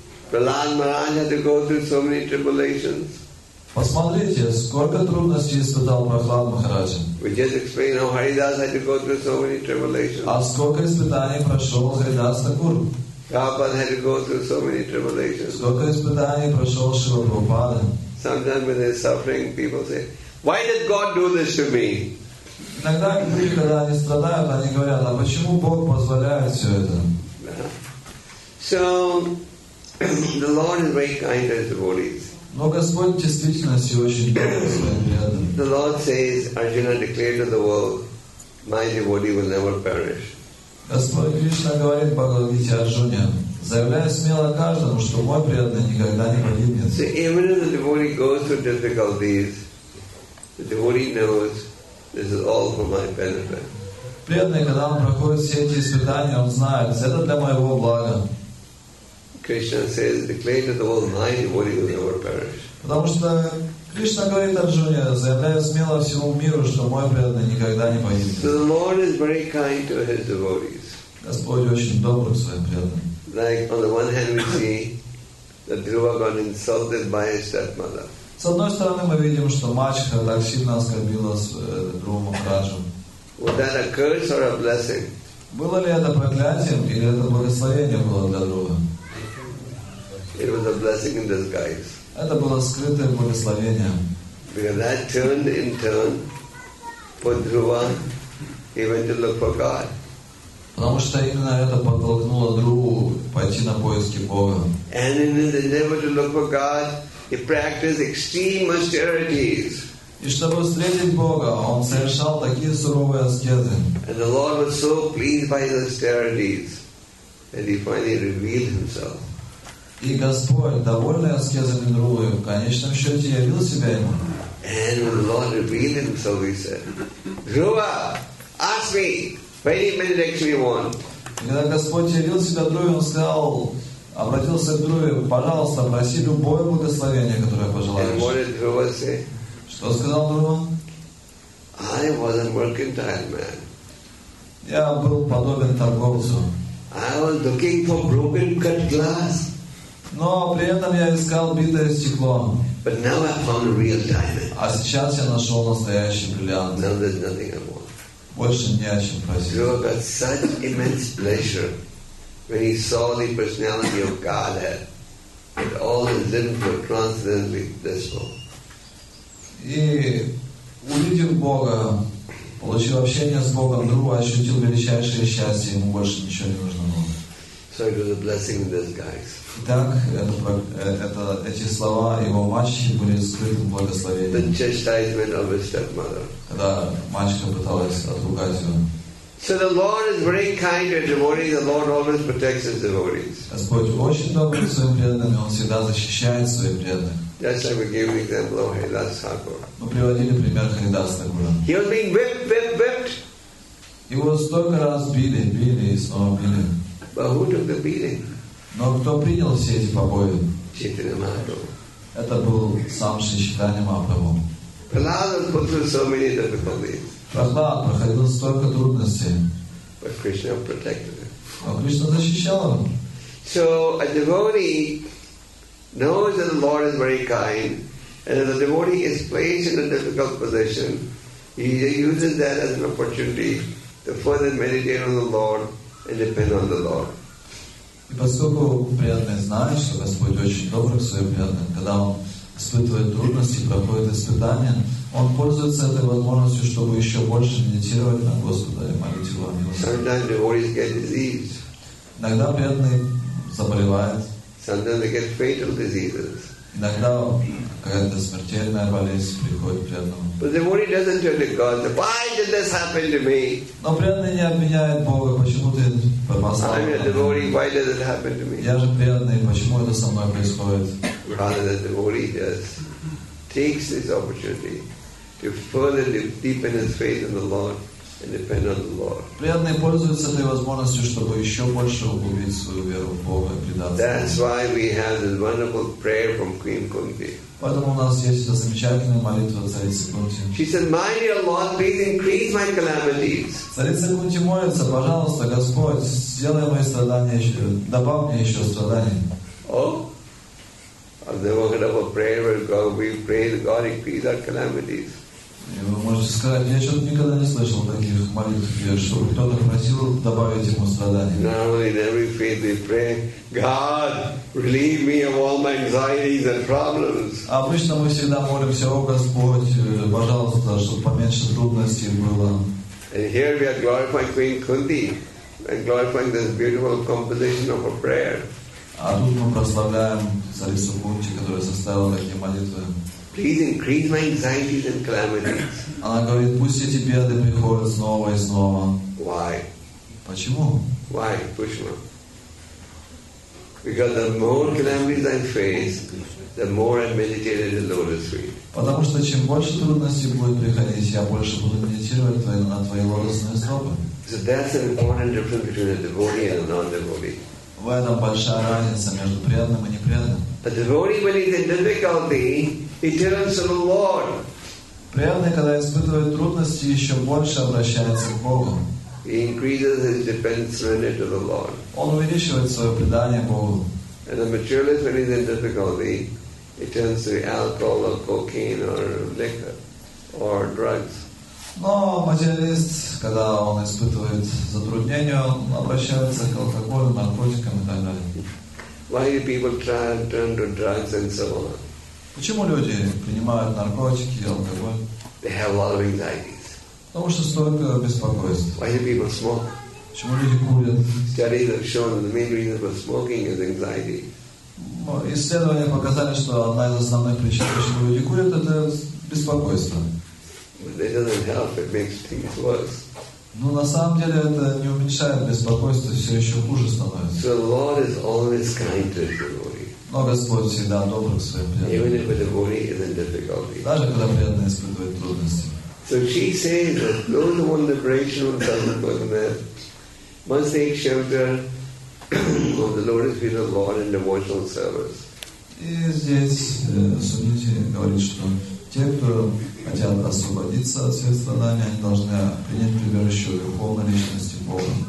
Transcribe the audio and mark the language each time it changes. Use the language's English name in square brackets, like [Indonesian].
[English] Prahlad Maharaj had to go through so many tribulations. [Russian] Посмотрите, сколько трудностей испытал Прохлад Махараджа. [English] We just explained how Haridas had to go through so many tribulations. [Russian] А сколько испытаний прошел Харидас Такур? [English] Prabhupada had to go through so many tribulations. [Russian] Сколько испытаний прошел Шрила Прабхупада? [English] Sometimes when they're suffering, people say, why did God do this to me? [Russian] Иногда люди, когда они страдают, они говорят, а почему Бог позволяет все это? [English] So, the Lord is very kind to his devotees. [Russian] Но Господь действительно очень добр к своим преданным. [English] The Lord says, Arjuna declared to the world, my devotee will never perish. [Russian] Господь Кришна говорит Бхагавад Гите Арджуне, заявляя смело каждому, что мой преданный никогда не погибнет. [English] So even if the devotee goes through difficulties, the devotee knows this is all for my benefit. [Russian] Преданный, когда он проходит все эти испытания, он знает, это для моего блага. [English] Krishna says, declare to the world, my devotee will never perish. [Russian] Потому что Кришна говорит Арджуне, заявляя смело всему миру, что мой преданный никогда не погибнет. [English] So the Lord is very kind to his devotees. [Russian] Господь очень добр к своим преданным. [English] Like on the one hand we see that Dhruva got insulted by his stepmother. [Russian] С одной стороны мы видим, что мачеха так сильно оскорбила Дхруву Махараджу. [English] Was that a curse or a blessing? [Russian] Было ли это проклятием или это благословение было для Дхрувы? [English] It was a blessing in disguise. [Russian] Это было скрытое благословение. [English] Because that turned in turn for Dhruva, he went to look for God. [Russian] Потому что именно это подтолкнуло Дхруву пойти на поиски Бога. [English] And in his endeavor to look for God, he practiced extreme austerities. [Russian] И чтобы встретить Бога, он совершал такие суровые аскезы. [English] And the Lord was so pleased by his austerities that he finally revealed himself. [Russian] И Господь, довольный аскезами Дхрувы, в конечном счете явил себя ему. [English] And the Lord revealed himself, he said, Dhruva, ask me, for any benediction you want. [Russian] И когда Господь явил себя Дхруве, он сказал, обратился к Дхруве, пожалуйста, проси любое благословение, которое пожелаешь. [English] And what did Dhruva say? [Russian] Что сказал Дхрува? [English] I was a mercantile man. [Russian] Я был подобен торговцу. [English] I was looking for broken cut glass. [Russian] Но при этом я искал битое стекло. [English] But now I found a real diamond. [Russian] А сейчас я нашел настоящий бриллиант. [English] Now there's nothing I want. [Russian] Больше не о чем просить. [English] Dhruva got such immense pleasure when he saw the personality of Godhead. But all is living for transcendently, that's all. [Russian] И увидев Бога, получил общение с Богом, вдруг ощутил величайшее счастье, ему больше ничего не нужно было. [English] So it was a blessing in disguise. [Russian] Итак, эти слова его мачехи были скрытым благословением. [English] The chastisement of his stepmother. [Russian] Когда мачеха пыталась отругать его. [English] So the Lord is very kind to devotees. The Lord always protects his devotees. [Russian] Господь очень добр к своим преданным, и Он всегда защищает своих преданных. [English] That's why we gave the example of Haridas Thakur. [Russian] Мы приводили пример Харидаса Такура. [English] He was being whipped. He was [Russian] столько раз били, и снова били. [English] But who took the beating? [Russian] Но кто принял все эти побои? Читанья Махапрабху. Это был сам Шри Читанья Махапрабху. [English] Прахлада put through so many difficulties. [Russian] Прахлад проходил столько трудностей. [English] But Krishna protected him. [Russian] Но Кришна защищал его. [English] So a devotee knows that the Lord is very kind, and if the devotee is placed in a difficult position, he uses that as an opportunity to further meditate on the Lord and depend on the Lord. [Russian] И поскольку преданный знает, что Господь очень добр к своим преданным, когда он испытывает трудности, проходит испытания, он пользуется этой возможностью, чтобы еще больше медитировать на Господа и молить Его о милости. Иногда преданный заболевает. Иногда какая-то смертельная болезнь приходит преданному. Но преданный не обвиняет Бога, почему ты попал. Я же преданный, почему это со мной происходит? [English] Rather, the devotee just takes this opportunity to further deepen his faith in the Lord and depend on the Lord. [Russian] Преданный пользуется этой возможностью, чтобы еще больше углубить свою веру в Бога и предаться. [English] That's why we have this wonderful prayer from Queen Kunti. [Russian] Поэтому у нас есть эта замечательная молитва царицы Кунти. [English] She said, "My dear Lord, please increase my calamities." [Russian] Царица Кунти молится, пожалуйста, Господь, сделай мои страдания еще, добавь мне еще страданий. [English] Oh, they were going to pray, but God, we pray to God, increase our calamities. [Russian] И вы можете сказать, я что-то никогда не слышал таких молитв, чтобы кто-то просил добавить ему страдания. [English] Normally in every faith we pray, God, relieve me of all my anxieties and problems. [Russian] Обычно мы всегда молимся, о Господь, пожалуйста, чтобы поменьше трудностей было. [English] And here we are glorifying Queen Kunti and glorifying this beautiful composition of a prayer. [Russian] А тут мы прославляем царицу Кунти, которая составила такие молитвы. [English] Please increase my anxieties and calamities. [Russian] Она говорит, пусть эти беды приходят снова и снова. [English] Why? [Russian] Почему? [English] Why, Krishna? Because the more calamities I face, the more I meditate at the lotus feet. [Russian] Потому что чем больше трудностей будет приходить, я больше буду медитировать на твои лотосные стопы. [English] So that's an important difference between a devotee and a non-devotee. [Russian] В этом большая разница между преданным и непреданным. [English] A devotee when he's in difficulty, he turns to the Lord. [Russian] Преданный, когда испытывает трудности, еще больше обращается к Богу. [English] He increases his dependence on the Lord. [Russian] Он увеличивает свое предание Богу. [English] And a materialist when he's in difficulty, he turns to alcohol or cocaine or liquor or drugs. [Russian] Но материалист, когда он испытывает затруднения, он обращается к алкоголю, наркотикам и так далее. [English] Why do people try and turn to drugs and so on? [Russian] Почему люди принимают наркотики, алкоголь? [English] They have a lot of anxieties. [Russian] Потому что столько беспокойств. [English] Why do people smoke? [Russian] Почему люди курят? [English] Studies have shown that the main reason for smoking is anxiety. [Russian] Исследования показали, что одна из основных причин, почему люди курят, это беспокойство. [English] But it doesn't help. It makes things worse. [Russian] Но на самом деле это не уменьшает беспокойство, все еще хуже становится. [English] So the Lord is always kind to the devotee. [Russian] Но Господь всегда добр к своим преданным. [English] Even if the devotee is in difficulty. [Russian] Даже когда преданный испытывает трудности. [English] So she says that those who want liberation from sanskrit bondage must take shelter of the lotus feet of the Lord in devotional service. [Russian] И здесь Сумити говорит, что те, кто хотят освободиться от всех страданий, они должны принять прибежище в духовной личности Бога.